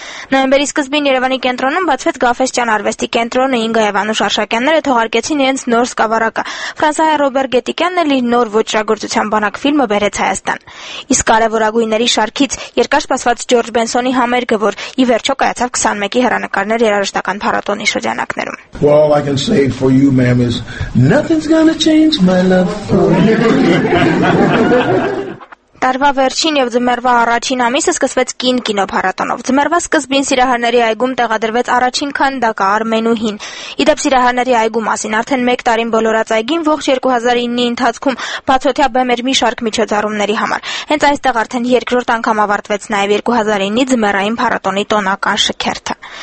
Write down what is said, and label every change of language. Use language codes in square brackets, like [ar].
[hy] Նոյեմբերի սկզբին Երևանի կենտրոնում բացվեց Գաֆեսճան արվեստի կենտրոնը, Ինգա և Անուշ Արշակյանները թողարկեցին իրենց նոր սկավառակը։ Ֆրանսահայ Ռոբերտ Գետիկյանն էլ իր նոր ոճագործության բանակ ֆիլմը բերեց Հայաստան։ Իսկ կարևորագույնների շարքից երկար սպասված Ջորջ Բենսոնի համերգը, որ ի վերջո կայացավ 21-ի հեռանկարներ երաժշտական փառատոնի շրջանակներում։ [en] Well, I can say for you, ma'am, is nothing's gonna change my love for you. [hy] Տարվա վերջին և ձմեռվա առաջին ամիսը սկսվեց Կին կինոփառատոնով։ Ձմեռվա սկզբին Սիրահարների այգում տեղադրվեց առաջին քանդակը Արմենուհին։ Իդեպ Սիրահարների այգու մասին արդեն 1 տարին բոլորած այգին ողջ 2009-ի ընթացքում բացօթյա բեմ էր մի շարք միջոցառումների համար։ Հենց այստեղ արդեն երկրորդ անգամ ավարտվեց նաև 2009-ի ձմեռային փառատոնի տոնական շքերթը։